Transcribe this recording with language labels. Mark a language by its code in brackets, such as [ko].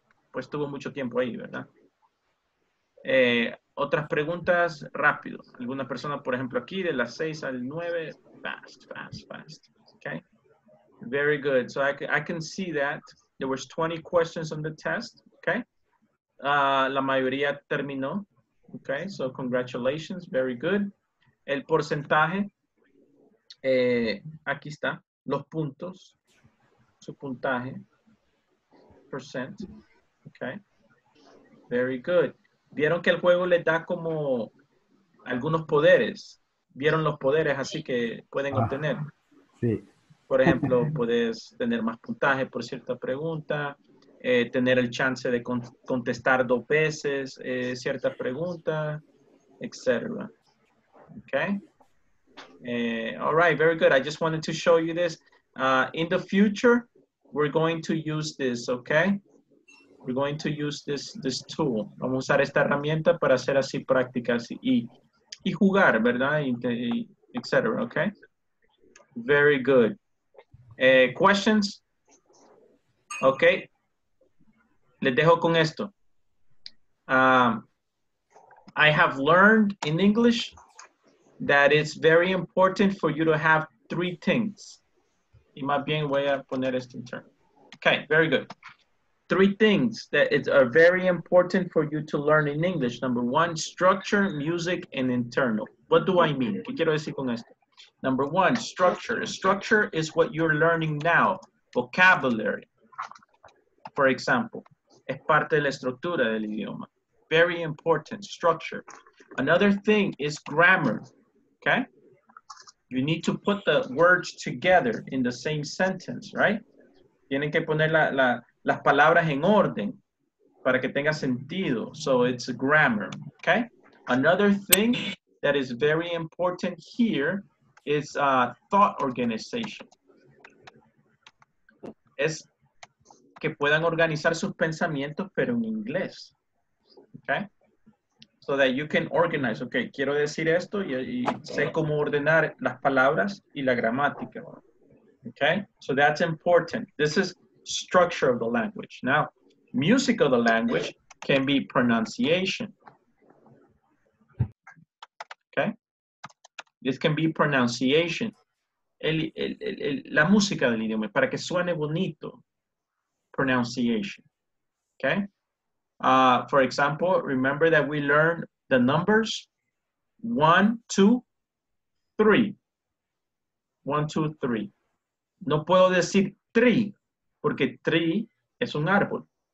[es] pues tuvo mucho tiempo ahí, ¿verdad? Otras preguntas, rápido. Alguna persona, por ejemplo, aquí, de las 6 al 9, [en] fast, fast, fast. Okay? Very good. So I can see that there was 20 questions on the test. [es] Okay? La mayoría terminó. Okay? [en] So congratulations, very good. [es] El porcentaje, aquí está, los puntos, su puntaje, percent. [en] Okay, very good. [es] Vieron que el juego les da como algunos poderes. Vieron los poderes así que pueden obtener. Sí. Por ejemplo, puedes tener más puntaje por cierta pregunta, tener el chance de contestar dos veces cierta pregunta, etc. [en] Okay. All right, very good. I just wanted to show you this. In the future, we're going to use this, okay? We're going to use this tool. [es] Vamos a usar esta herramienta para hacer así prácticas y jugar, ¿verdad? [en] Etc. Okay. Very good. Questions? Okay. [es] Les dejo con esto. [en] I have learned in English that it's very important for you to have three things. [es] Y más bien voy a poner esto en turn. [en] Okay. Very good. Three things that are very important for you to learn in English. Number one, structure, music, and internal. What do I mean? [es] ¿Qué quiero decir con esto? [en] Number one, structure. Structure is what you're learning now. Vocabulary, for example. [es] Es parte de la estructura del idioma. [en] Very important, structure. Another thing is grammar, okay? You need to put the words together in the same sentence, right? [es] Tienen que poner las palabras en orden para que tenga sentido. [en] So it's grammar, okay? Another thing that is very important here is thought organization. [es] Es que puedan organizar sus pensamientos, pero en inglés, okay? [en] so that you can organize. [es] Okay, quiero decir esto y sé cómo ordenar las palabras y la gramática. [en] Okay, so that's important. This is structure of the language. Now, music of the language can be pronunciation. Okay, this can be pronunciation. [es] La música del idioma, para que suene bonito. Pronunciation. Okay. [en] For example, remember that we learned the numbers 1, 2, 3. 1, 2, 3. [es] No puedo decir tree, porque tree es un árbol.